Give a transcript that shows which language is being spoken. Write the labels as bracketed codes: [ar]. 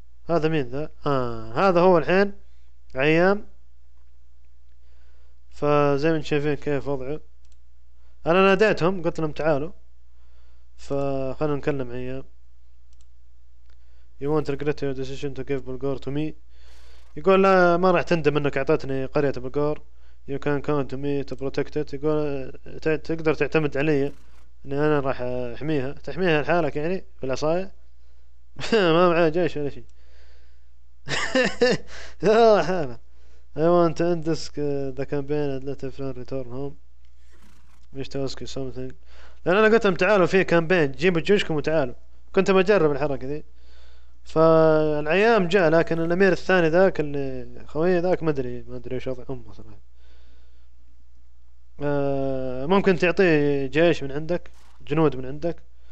[ar] هذا مين ذا؟ هذا هو الحين عيام، فزي ما شايفين كيف وضعه. انا ناديتهم قلت لهم تعالوا، فخلنا نكلم عيام. [en] You won't regret your decision to give Bulgore to me. [ar] يقول لا ما راح تندم انك اعطيتني قرية بلغور. [en] You can count to me to protect it. [ar] يقول تقدر تعتمد علي اني انا راح احميها، تحميها لحالك يعني بالعصاية. ما معاه جيش ولا شيء. يا حالة [en] I want to end this the campaign and let everyone return home. Wish to ask you something. [ar] لأن أنا قلت لهم تعالوا في كامبين، جيبوا جيوشكم وتعالوا. كنت بجرب الحركة ذي. فالأيام جاء، لكن الأمير الثاني ذاك اللي خويه ذاك ما أدري وش وضع أمه صراحة. ممكن تعطيه جيش من عندك، جنود من عندك.